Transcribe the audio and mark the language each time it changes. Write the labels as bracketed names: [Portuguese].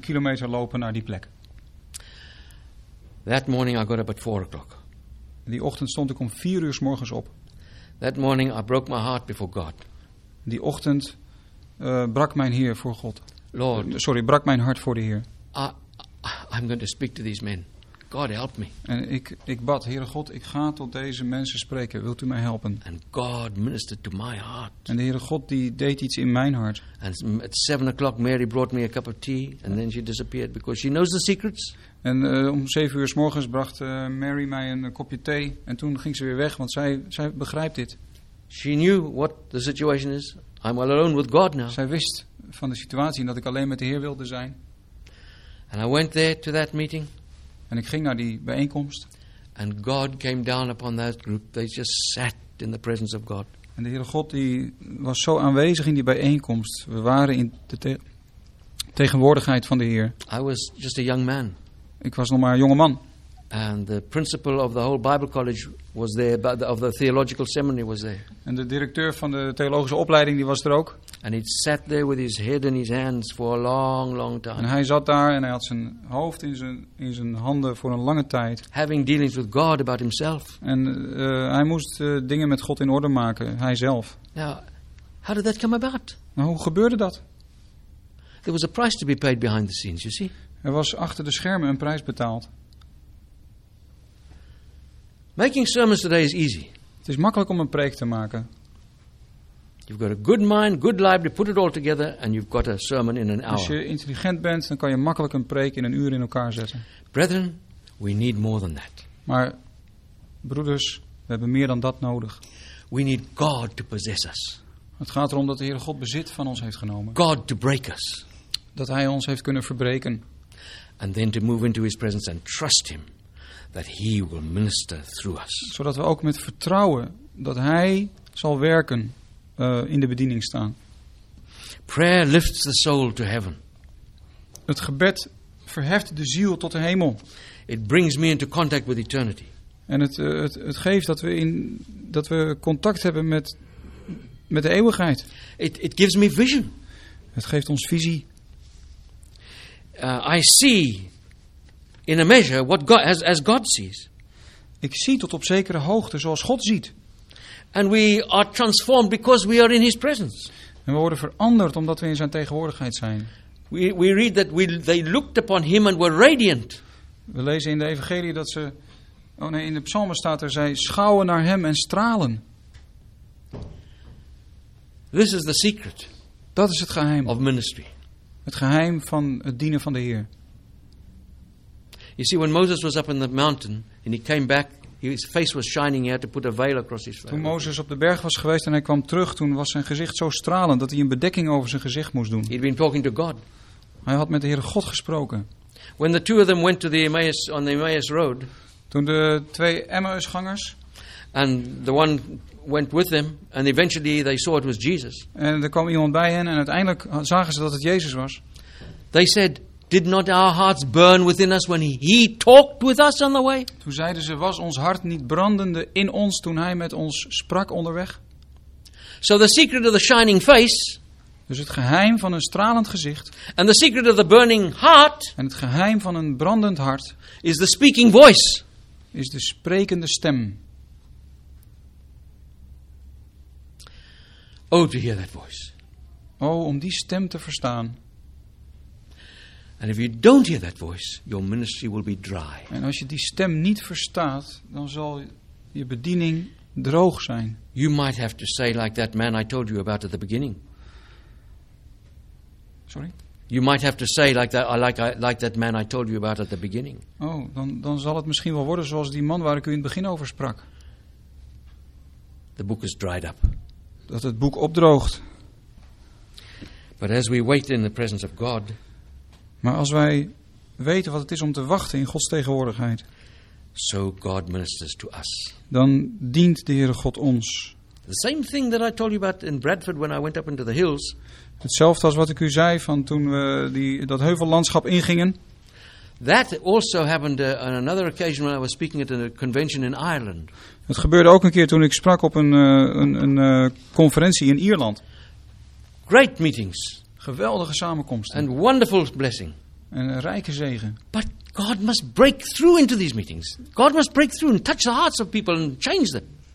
[Dutch] kilometer lopen naar die plek. [English] That morning I got up at 4 o'clock. [Dutch] Die ochtend stond ik om 4 uur 's morgens op. [English] That morning I broke my heart before God. [Dutch] Die ochtend brak mijn Heer voor God. [English] Lord, [Dutch] brak mijn hart voor de Heer. [English] I'm going to speak to these men. God help me. [Dutch] En ik bad, Heere God, ik ga tot deze mensen spreken. Wilt u mij helpen? [English] And God ministered to my heart. [Dutch] En de Heere God die deed iets in mijn hart. [English] And at 7 o'clock Mary brought me a cup of tea and then she disappeared because she knows the secrets. [Dutch] En om 7 uur 's morgens bracht Mary mij een kopje thee en toen ging ze weer weg, want zij begrijpt dit. [English] She knew what the situation is. I'm all alone with God now. [Dutch] Zij wist van de situatie en dat ik alleen met de Heer wilde zijn. [English] And I went there to that meeting. [Dutch] En ik ging naar die bijeenkomst. [English] And God came down upon that group. They just sat in the presence of God. [Dutch] En de Heere God die was zo aanwezig in die bijeenkomst. We waren in de tegenwoordigheid van de Heer. [English] I was just a young man. [Dutch] Ik was nog maar een jonge man. [English] And the principal of the whole Bible college was there, of the theological seminary was there. [Dutch] En de directeur van de theologische opleiding die was er ook. [English] And he sat there with his head in his hands for a long, long time. [Dutch] En hij zat daar en hij had zijn hoofd in zijn handen voor een lange tijd. [English] Having dealings with God about himself. [Dutch] En hij moest dingen met God in orde maken, hij zelf. [English] Now, how did that come about? [Dutch] Nou, hoe gebeurde dat? [English] There was a price to be paid behind the scenes, you see. [Dutch] Er was achter de schermen een prijs betaald. [English] Making sermons today is easy. [Dutch] Het is makkelijk om een preek te maken. [English] You've got a good mind, good library, put it all together and you've got a sermon in an hour. [Dutch] Als je intelligent bent, dan kan je makkelijk een preek in een uur in elkaar zetten. [English] Brethren, we need more than that. [Dutch] Maar broeders, we hebben meer dan dat nodig. [English] We need God to possess us. [Dutch] Het gaat erom dat de Heere God bezit van ons heeft genomen. [English] God to break us. [Dutch] Dat hij ons heeft kunnen verbreken. [English] And then to move into his presence and trust him. That he will minister through us. [Dutch] Zodat we ook met vertrouwen dat hij zal werken in de bediening staan. [English] Prayer lifts the soul to heaven. [Dutch] Het gebed verheft de ziel tot de hemel. [English] It brings me into contact with eternity. [Dutch] En het geeft dat we contact hebben met de eeuwigheid. [English] It gives me vision. [Dutch] Het geeft ons visie. [English] I see. In a measure, what God, as God sees. [Dutch] Ik zie tot op zekere hoogte zoals God ziet. [English] And we are transformed because we are in his presence. [Dutch] En we worden veranderd omdat we in zijn tegenwoordigheid zijn. [English] We read that they looked upon him and were radiant. [Dutch] We lezen in de evangelie dat ze, oh nee, in de psalmen staat er, zij schouwen naar hem en stralen. [English] This is the secret. [Dutch] Dat is het geheim. [English] Of ministry. [Dutch] Het geheim van het dienen van de Heer. [English] You see, when Moses was up in the mountain and he came back, his face was shining. He had to put a veil across his face. [Dutch] Toen Moses op de berg was geweest en hij kwam terug, toen was zijn gezicht zo stralend dat hij een bedekking over zijn gezicht moest doen. [English] He'd been talking to God. [Dutch] Hij had met de Heere God gesproken. [English] When the two of them went to the Emmaus on the Emmaus road. [Dutch] Toen de twee Emmausgangers. [English] And the one went with them and eventually they saw it was Jesus. [Dutch] En er kwam iemand bij hen en uiteindelijk zagen ze dat het Jezus was. [English] They said. Did not our hearts burn within us when he talked with us on the way? [Dutch] Toen zeiden ze, was ons hart niet brandende in ons toen hij met ons sprak onderweg? [English] So the secret of the shining face. [Dutch] Dus het geheim van een stralend gezicht. [English] And the secret of the burning heart. [Dutch] En het geheim van een brandend hart. [English] Is the speaking voice. [Dutch] Is de sprekende stem. [English] Oh, to hear that voice. [Dutch] Oh, om die stem te verstaan. [English] And if you don't hear that voice, your ministry will be dry. [Dutch] En als je die stem niet verstaat, dan zal je bediening droog zijn. [English] You might have to say like that man I told you about at the beginning. Sorry? You might have to say like that man I told you about at the beginning. [Dutch] Oh, dan zal het misschien wel worden zoals die man waar ik u in het begin over sprak. [English] The book is dried up. [Dutch] Dat het boek opdroogt. [English] But as we wait in the presence of God. [Dutch] Maar als wij weten wat het is om te wachten in Gods tegenwoordigheid. [English] So God ministers to us. [Dutch] Dan dient de Heere God ons. [English] The same thing that I told you about in Bradford when I went up into the hills. [Dutch] Hetzelfde als wat ik u zei van toen we dat heuvellandschap ingingen. [English] That also happened on another occasion when I was speaking at a convention in Ireland. [Dutch] Het gebeurde ook een keer toen ik sprak op een conferentie in Ierland. [English] Great meetings. [Dutch] Geweldige samenkomsten. [English] And wonderful blessing. [Dutch] En een rijke zegen. [English] But God must break through into these meetings. God must break through and touch the hearts of people and change them.